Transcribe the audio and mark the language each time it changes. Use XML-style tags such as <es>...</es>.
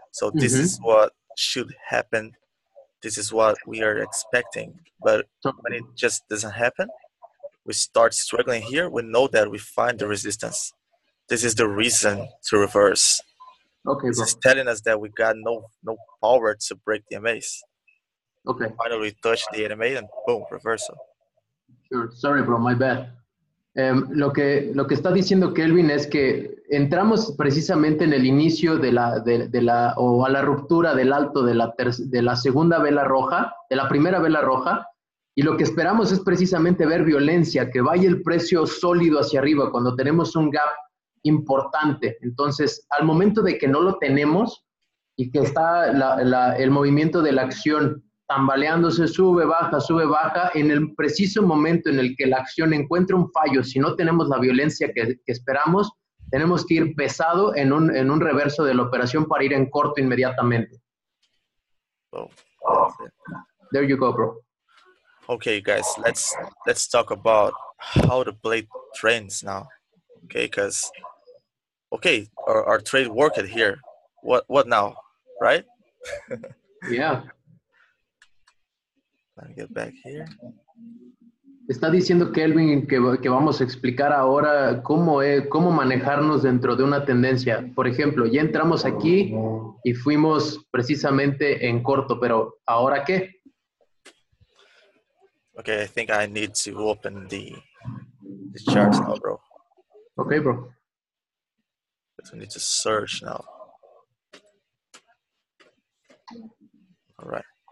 <en>So, this mm-hmm. is what should happen. This is what we are expecting, but when it just doesn't happen, we start struggling here. We know that we find the resistance. This is the reason to reverse. Okay, this is telling us that we got no power to break the MAs. Okay, finally we touch the NMA and boom, reversal. Sure, sorry, bro. My bad.</en> <es>Lo que está diciendo Kelvin es que entramos precisamente en el inicio de la ruptura del alto de la segunda vela roja, de la primera vela roja, y lo que esperamos es precisamente ver violencia, que vaya el precio sólido hacia arriba cuando tenemos un gap importante. Entonces, al momento de que no lo tenemos y que está el movimiento de la acción tambaleándose, sube, baja, en el preciso momento en el que la acción encuentra un fallo, si no tenemos la violencia que esperamos, tenemos que ir pesado en un reverso de la operación para ir en corto inmediatamente.</es> <en>There you go, bro. Okay, guys, let's talk about how the play trends now. Okay, because, okay, our trade worked here. What now, right? Yeah. Let me get back here.</en> <es>Está diciendo Kelvin que vamos a explicar ahora cómo manejarnos dentro de una tendencia. Por ejemplo, ya entramos aquí y fuimos precisamente en corto, pero ¿ahora qué?</es> <en>Okay, I think I need to open the charts now, bro. Okay, bro. I need to search now. All right.</en>